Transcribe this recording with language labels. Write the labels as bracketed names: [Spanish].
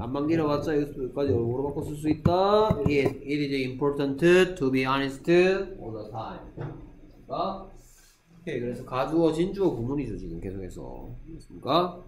[Korean] 안만 길어봤자 여기까지 영어로 바꿔 쓸 수 있다. [English] It is important to be honest all the time. [Korean] 그러니까 오케이. 그래서 가주어 진주어 구문이죠. 지금 계속해서 됐습니까?